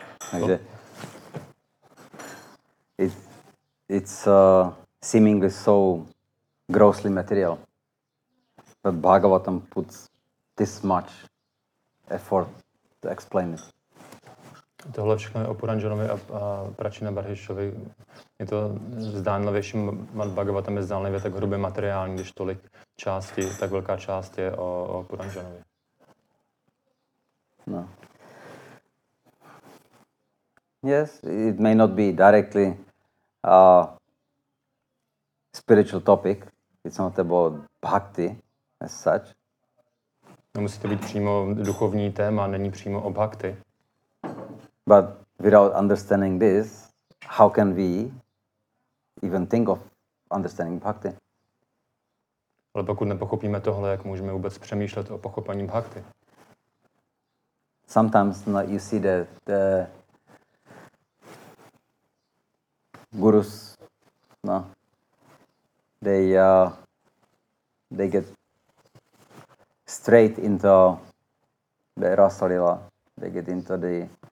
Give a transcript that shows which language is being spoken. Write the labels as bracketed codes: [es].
[en] Takže it's seemingly so grossly material, but Bhagavatam puts this much effort to explain it. [cs] Tohle všechno je o Puranjanovi a Prachnavarishovi. Je to zdánlivější, Bhagavatam je zdánlivě tak hrubě materiální, když tolik části, tak velká část je o Puranjanovi. No. [en] Yes, it may not be directly spiritual topic. It's not about bhakti as such. [cs] Nemusí to být přímo duchovní téma, není přímo o bhakti. [en] But without understanding this, how can we even think of understanding bhakti? [cs] Ale pokud nepochopíme tohle, jak můžeme vůbec přemýšlet o pochopení bhakti? [en] Sometimes you see that the gurus, no, they get straight into the rasa lila. They get into the